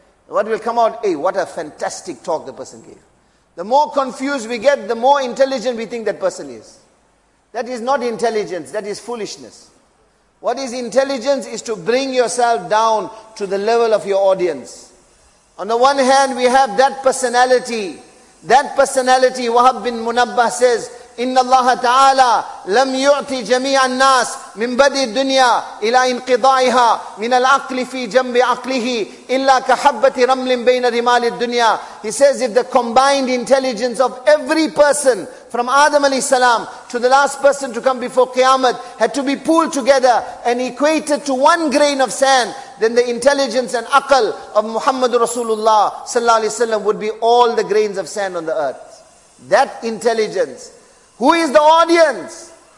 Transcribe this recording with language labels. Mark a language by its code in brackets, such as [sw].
[en] What will come out, hey, what a fantastic talk the person gave. The more confused we get, the more intelligent we think that person is. That is not intelligence, that is foolishness. What is intelligence is to bring yourself down to the level of your audience. On the one hand, we have that personality, Wahab bin Munabbah says, [ar] إِنَّ اللَّهَ تَعَالَى لَمْ يُعْتِ جَمِيعَ النَّاسِ مِنْ بَدِي الدُّنْيَا إِلَىٰ إِنْقِضَائِهَا مِنَ الْعَقْلِ فِي جَنْبِ عَقْلِهِ إِلَّا كَحَبَّةِ رَمْلٍ بَيْنَ رِمَالِ الدُّنْيَا. [en] He says, if the combined intelligence of every person from Adam alayhi salam to the last person to come before Qiyamah had to be pooled together and equated to one grain of sand, then the intelligence and aqal of Muhammadur Rasulullah sallallahu alayhi wasallam would be all the grains of sand on the earth. That intelligence. Who is the audience?